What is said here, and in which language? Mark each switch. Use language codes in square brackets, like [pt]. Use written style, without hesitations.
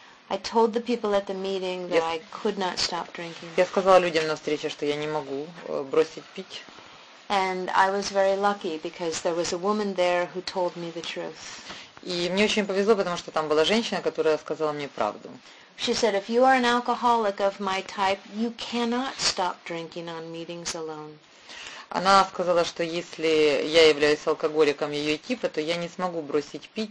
[en] I told the people at the meeting that I could not stop drinking. [ru] Я сказала людям на встрече, что я не могу бросить пить. [en] And I was very lucky because there was a woman there who told me the truth. [ru] И мне очень повезло, потому что там была женщина, которая сказала мне правду. [en] She said, if you are an alcoholic of my type, you cannot stop drinking on meetings alone. [ru] Она сказала, что если я являюсь алкоголиком ее типа, то я не смогу бросить пить.